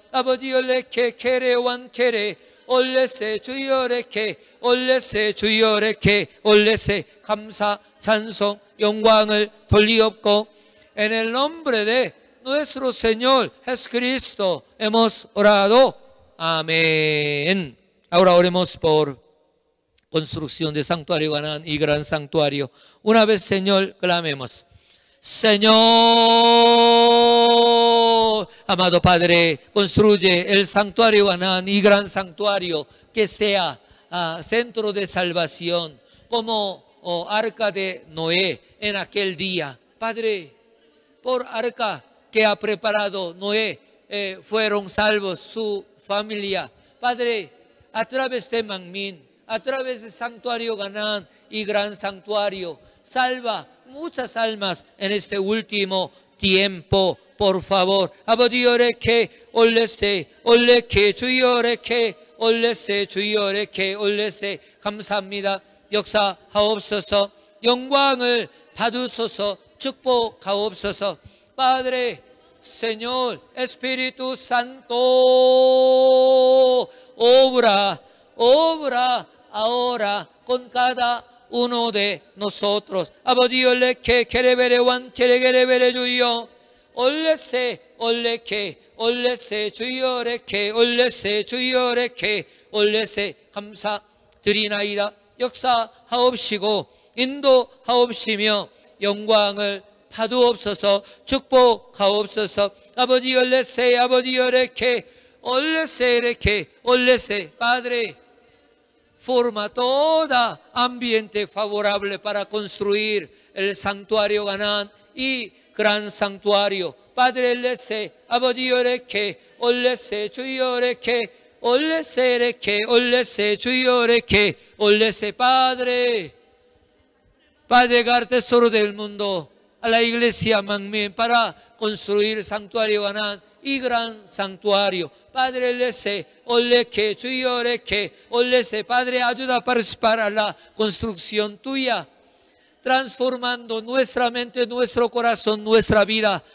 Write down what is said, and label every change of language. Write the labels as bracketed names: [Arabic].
[Korean] 아버지 올레케 케레완케레 올레세 주여레케 올레세 주여레케 올레세 감사 찬송 영광을 돌리옵고 [Spanish] en el nombre de Nuestro Señor Jesucristo hemos orado. Amén. Ahora oremos por construcción de santuario y gran santuario. Una vez, Señor, clamemos. Señor, amado Padre, construye el santuario y gran santuario que sea centro de salvación, como arca de Noé en aquel día. Padre, por arca que ha preparado Noé, fueron salvos su familia. Padre, a través de Mangmin, a través del santuario Ganán y gran santuario, salva muchas almas en este último tiempo, por favor. Abodi oreke, olese, oleke, chuy oreke, olese, chuy oreke, olese, [Korean] 감사합니다. 역사 하옵소서, 영광을 받으소서, 축복 하옵소서. [Spanish] Padre, Señor, Espíritu Santo, obra, obra ahora con cada uno de nosotros. Abodi oleke, kerebere wan, kerebere juyo, olese, oleke, olese, juyo reke, olese, juyo reke, olese, [Korean] 감사드리나이다. 역사 하옵시고, 인도 하옵시며, 영광을 파두옵소서. 축복하옵소서. 아버지 올레세 아버지 올레케 올레세 레케 올레세. [Spanish] Padre, forma toda ambiente favorable para construir el santuario ganán y gran santuario. [Korean] Padre, olese, 아버지 올레케 올레세 주여 올레케 올레세 레케 올레세 주여 올레케 올레세. [Spanish] Padre, Padre, gran tesoro del mundo, a la iglesia Mangmin para construir el santuario Ganán y gran santuario. Padre, lece, oleque, suyo, oleque, olece, Padre, ayuda a participar a la construcción tuya, transformando nuestra mente, nuestro corazón, nuestra vida.